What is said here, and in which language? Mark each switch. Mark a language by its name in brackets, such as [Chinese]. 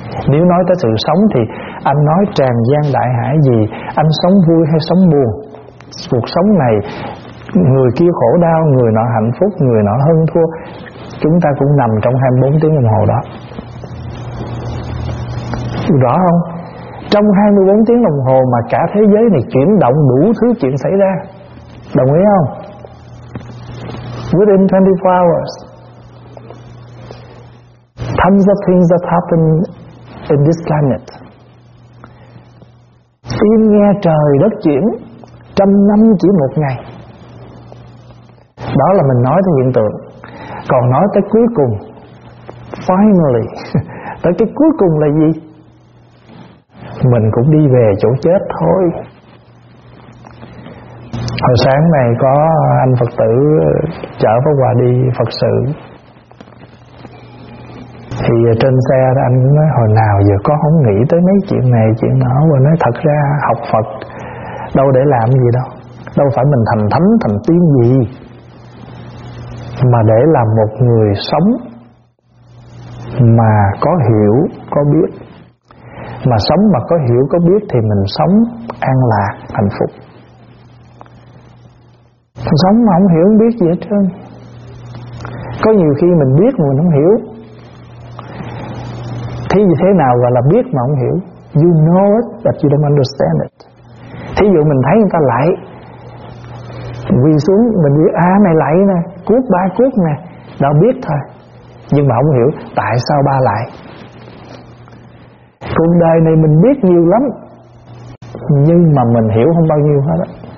[Vietnamese] Nếu nói tới sự sống thì anh nói tràn gian đại hải gì, anh sống vui hay sống buồn, cuộc sống này người kia khổ đau, người nọ hạnh phúc, người nọ hơn thua, chúng ta cũng nằm trong 24 tiếng đồng hồ đó. Rõ không? Trong 24 tiếng đồng hồ mà cả thế giới này chuyển động, đủ thứ chuyện xảy ra. Đồng ý không? [English] Within 24 hours, tons of things that happen in this planet. [Vietnamese] Im nghe trời đất chuyển, trăm năm chỉ một ngày. Đó là mình nói tới hiện tượng. Còn nói tới cuối cùng, finally, tới cái cuối cùng là gì? Mình cũng đi về chỗ chết thôi. Hồi sáng này có anh Phật tử chở Pháp Hòa đi Phật sự, thì trên xe đó anh nói hồi nào giờ có không nghĩ tới mấy chuyện này chuyện nọ. Và nói thật ra học Phật đâu để làm gì đâu, đâu phải mình thành thánh thành tiên gì, mà để làm một người sống mà có hiểu có biết. Mà sống mà có hiểu có biết thì mình sống an lạc hạnh phúc. Sống mà không hiểu không biết gì hết trơn. Có nhiều khi mình biết mà mình không hiểu. Thí dụ thế nào gọi là biết mà không hiểu? [English] You know it but you don't understand it. [Vietnamese] Thí dụ mình thấy người ta lạy, quỳ xuống mình biết à mày lạy nè, cuốc ba cuốc nè, đó biết thôi. Nhưng mà không hiểu tại sao ba lạy. Cuộc đời này mình biết nhiều lắm nhưng mà mình hiểu không bao nhiêu hết á.